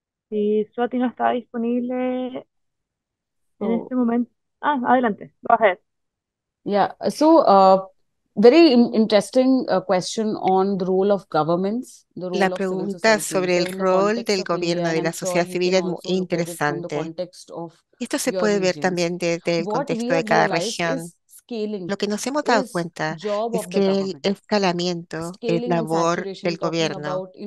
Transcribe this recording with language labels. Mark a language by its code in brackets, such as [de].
[es] Si Swati no está disponible en este momento. Adelante, [en] go ahead. Yeah, so very interesting question on the role of governments. The role [es] la pregunta of sobre el rol del gobierno y la sociedad civil es muy interesante. Esto se puede ver también desde el contexto de cada región. Lo que nos hemos dado cuenta es que el escalamiento es labor del gobierno.